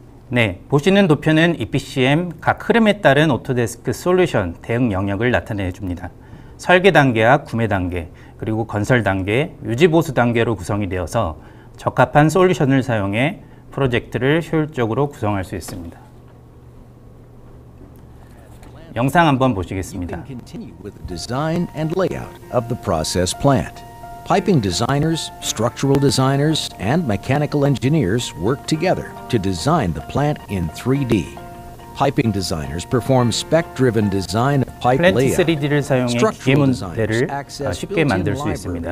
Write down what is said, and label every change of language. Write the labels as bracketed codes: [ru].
[ko] 네, 보시는 도표는 EPCM 각 흐름에 따른 오토데스크 솔루션 대응 영역을 나타내 줍니다. 설계 단계와 구매 단계, 그리고 건설 단계, 유지 보수 단계로 구성이 되어서 적합한 솔루션을 사용해 프로젝트를 효율적으로 구성할 수 있습니다. 영상 한번 보시겠습니다. [en] Continue with the design and layout of the process plant. Piping designers, structural designers, and mechanical engineers work together to design the plant in 3D. Piping designers perform spec-driven design of pipe layout. [ko] 플랜트 3D를 사용해 기계 모델을 쉽게 만들 수 있습니다.